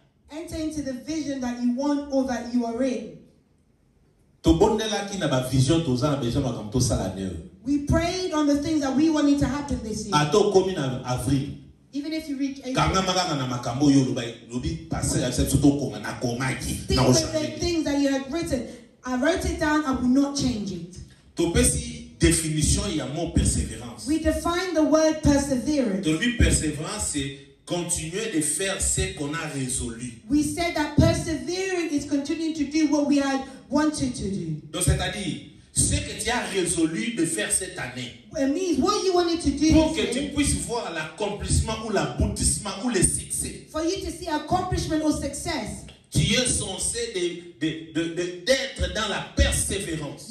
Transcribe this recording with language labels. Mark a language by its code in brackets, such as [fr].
[en] Enter into the vision that you want or that you are in. We prayed on the things that we wanted to happen this year. Even if you reach April. Think of the things that you had written. I wrote it down, I will not change it. [fr] Definition, il y a mot persévérance. [en] We define the word perseverance. [fr] Donc, lui, persévérance, c'est continuer de faire ce qu'on a résolu. [en] We said that persevering is continuing to do what we had wanted to do. [fr] Donc, c'est-à-dire, ce que tu as résolu de faire cette année. [en] It means what you wanted to do. [fr] Pour que tu puisses voir l'accomplissement ou l'aboutissement ou le succès. [en] For you to see accomplishment or success. [fr] Tu es censé d'être dans la persévérance.